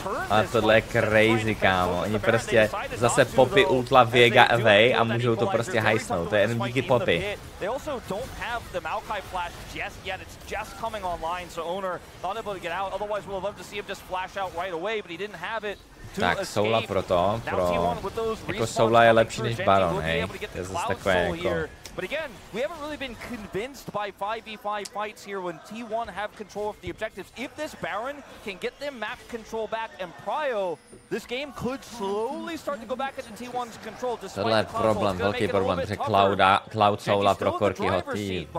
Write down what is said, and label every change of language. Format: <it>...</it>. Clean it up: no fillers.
<cs>A tohle je crazy, kámo, oni prostě zase Poppy ultla Viega away a můžou to prostě heistnout, to je jenom díky Poppy.</cs> <en>They also don't have the Maokai flash just yet, it's just coming online, so owner not able to get out, otherwise we'll love to see him just flash out right away, but he didn't have it to tak, escape.</en> <cs>Soula proto, pro, jako Soula je lepší než Baron, hej, to je zase takové jako.</cs> <en>But again, we haven't really been convinced by 5v5 fights here when T1 have control of the objectives. If this Baron can get them map control back and Pryo, this game could slowly start to go back into T1's control.</en> <cs>Tohle je problém, velký problém, že Cloud Soula pro Corkyho team.</cs>